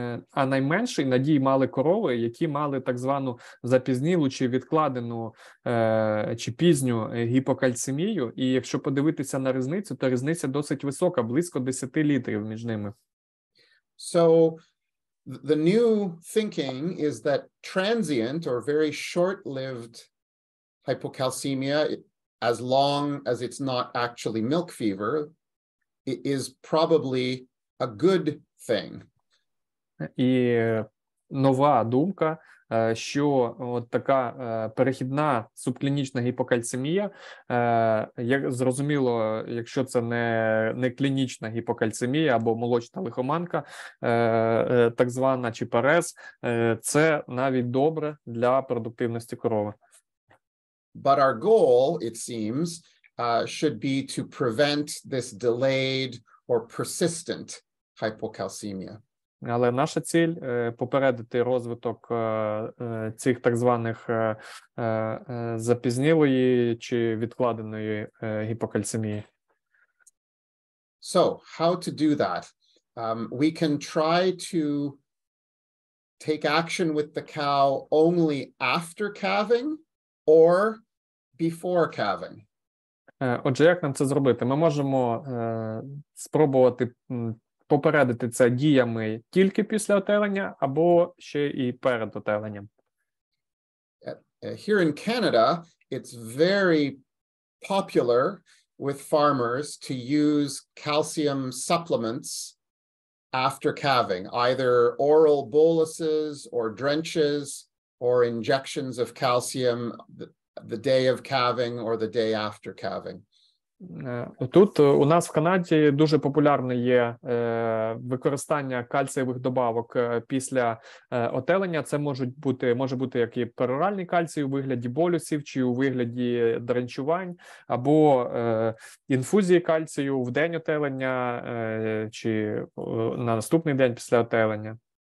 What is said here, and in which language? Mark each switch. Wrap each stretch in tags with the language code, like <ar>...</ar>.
<uk>А найменші надії мали корови, які мали так звану запізнілу чи відкладену чи пізню гіпокальцемію, і якщо подивитися на різницю, то різниця досить висока, близько 10 літрів між ними.</uk> <en>So the new thinking is that transient or very short-lived hypocalcemia, as long as it's not actually milk fever, it is probably a good thing.</en> <uk>І нова думка, що от така перехідна субклінічна гіпокальцемія, як зрозуміло, якщо це не клінічна гіпокальцемія або молочна лихоманка, так звана чи парез, це навіть добре для продуктивності корови.</uk> <en>But our goal, it seems, should be to prevent this delayed or persistent hypocalcemia.</en> <uk>Але наша ціль попередити розвиток цих так званих запізнілої чи відкладеної гіпокальцемії.</uk> <en>So, how to do that? We can try to take action with the cow only after calving or before calving.</en> <uk>Отже, як нам це зробити? Ми можемо спробувати попередити це діями тільки після отелення або ще і перед отеленням.</uk> <en>Here in Canada, it's very popular with farmers to use calcium supplements after calving, either oral boluses or drenches or injections of calcium the day of calving or the day after calving.</en> <uk>Тут у нас в Канаді дуже популярне є використання кальцієвих добавок після отелення. Це може бути як і пероральний кальцій у вигляді болюсів чи у вигляді дренчувань, або інфузії кальцію в день отелення чи на наступний день після отелення.</uk>